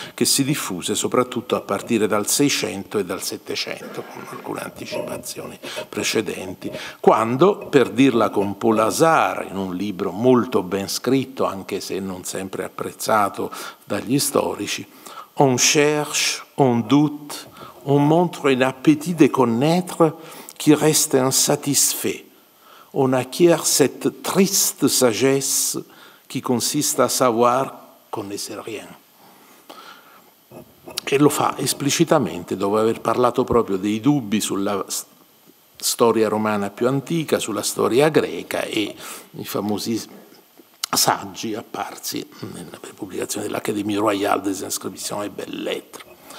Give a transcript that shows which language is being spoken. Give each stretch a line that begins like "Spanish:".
Italian: che si diffuse soprattutto a partire dal 600 e dal 700, con alcune anticipazioni precedenti, quando, per dirla con Paul Hasard, in un libro molto ben scritto, anche se non sempre apprezzato dagli storici,
French: «On cherche, on doute, on montre un appétit de connaître qui reste insatisfait. On acquiert cette triste sagesse qui consiste à savoir qu'on ne sait rien».
Italian: E lo fa esplicitamente dopo aver parlato proprio dei dubbi sulla storia romana più antica, sulla storia greca e i famosi saggi apparsi nella pubblicazione dell'Académie Royale des Inscriptions et Belles Lettres.